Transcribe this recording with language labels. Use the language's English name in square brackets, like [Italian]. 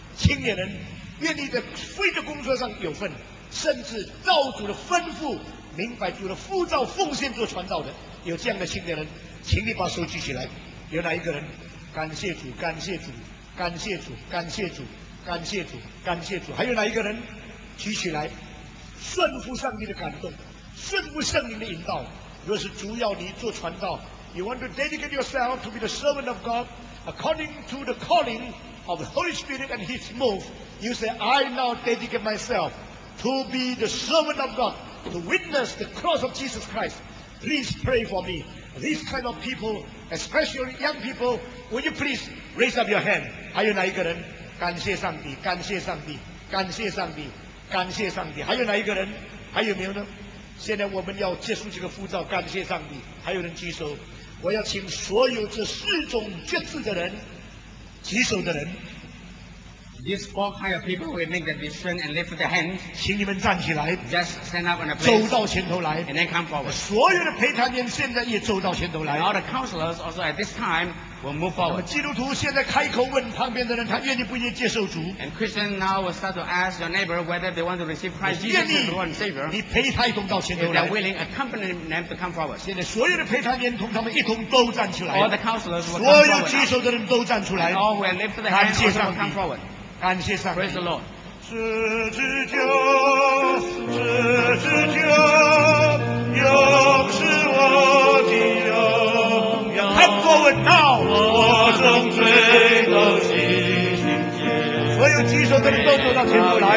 [Chinese] 青年人，愿你在福音的工作上有份，甚至照主的吩咐，明白主的呼召，奉献做传道的，有这样的青年人，请你把手举起来。有哪一个人？感谢主，感谢主，感谢主，感谢主，感谢主，感谢主。还有哪一个人？举起来，顺服上帝的感动，顺服圣灵的引导。若是主要你做传道， [English] You want to dedicate yourself to be the servant of God according to the calling of the Holy Spirit and His move. You say, I now dedicate myself to be the servant of God, to witness the cross of Jesus Christ. Please pray for me. These kind of people, especially young people, will you please raise up your hand? [Chinese] 还有哪一个人？感谢上帝，感谢上帝，感谢上帝，感谢上帝。还有哪一个人？还有没有呢？现在我们要结束这个呼召，感谢上帝。还有人举手？我要请所有这四种决志的人举手的人。 [English] These four kind of people will make the decision and lift their hands. [Chinese] 请你们站起来。 [English] Just stand up on the place. [Chinese] 走到前头来。 [English] And then come forward. [Chinese] 所有的陪谈员现在也走到前头来。 [English] And all the counselors also at this time will move forward. [Chinese] 基督徒现在开口问旁边的人，他愿意不愿意接受主。 [English] And Christian now will start to ask your neighbor whether they want to receive Christ Jesus as Lord and Savior. [Chinese] 你陪他一同到前头来。 [English] If they're willing, accompany them to come forward. [Chinese] 现在所有的陪谈员同他们一同都站出来。 [English] All the counselors will come forward. [Chinese] 所有举手的人都站出来。 [English] And all who have lifted their hands also will come forward. [Chinese] 感谢上帝。 [English] Praise the Lord. [Chinese] 十字架，十字架，又是我的荣耀。 [English] Come forward now. [Chinese] 我从罪恶洗净洁。所有举手的人都走到前头来。